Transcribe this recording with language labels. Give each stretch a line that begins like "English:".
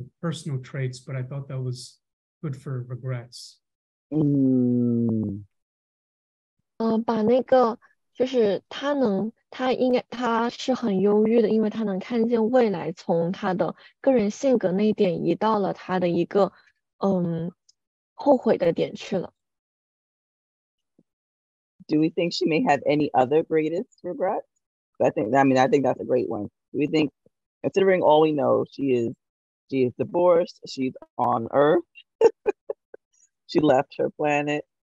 English: Personal traits, but I thought that was good for regrets. Mm.
Chinese: 把那个就是他能，他应该他是很忧郁的，因为他能看见未来，从他的个人性格那一点移到了他的一个后悔的点去了。
English: Do we think she may have any other greatest regrets? I think that's a great one. Do we think, considering all we know, she is divorced, she's on Earth, she left her planet.